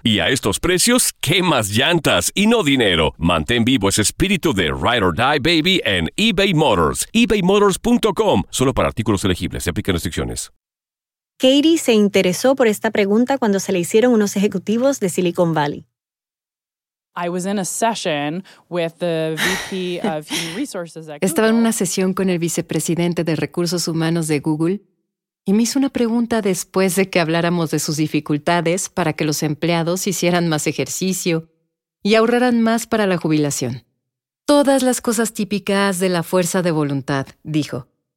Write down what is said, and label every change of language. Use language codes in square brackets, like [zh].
[es] Y a estos precios, quemas llantas y no dinero. Mantén vivo ese espíritu de [en] Ride or Die, baby, [es] en eBay Motors. eBayMotors.com. Solo para artículos elegibles. Se aplican restricciones. Katie se interesó por esta pregunta cuando se le hicieron unos ejecutivos de Silicon Valley. [en] I was in a session with the VP of Human Resources at Google. [es] Estaba en una sesión con el vicepresidente de recursos humanos de Google y me hizo una pregunta después de que habláramos de sus dificultades para que los empleados hicieran más ejercicio y ahorraran más para la jubilación. Todas las cosas típicas de la fuerza de voluntad, dijo.